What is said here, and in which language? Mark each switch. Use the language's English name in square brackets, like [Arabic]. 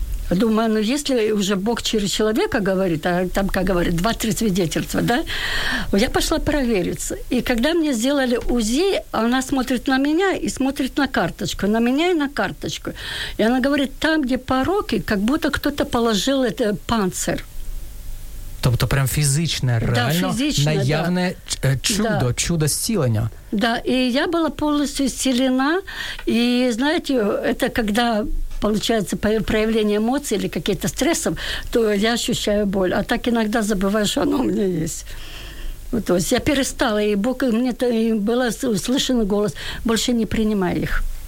[Russian] Думаю, ну если уже Бог через человека говорит, а там, как говорят, 2-3 свидетельства, да? Я пошла провериться. И когда мне сделали УЗИ, она смотрит на меня и смотрит на карточку, на меня и на карточку. И она говорит, там, где пороки, как будто кто-то положил это панцирь. [Ukrainian] Тобто прям фізичне, реально наявне чудо, чудо зцілення. Да, і я була повністю зцілена. І, знаєте, це коли [Russian] получается проявление эмоций или каких-то стрессов, то я ощущаю боль. А так иногда забываю, что оно у меня есть. То есть я перестала, и Бог, мне был услышан голос, больше не принимай их.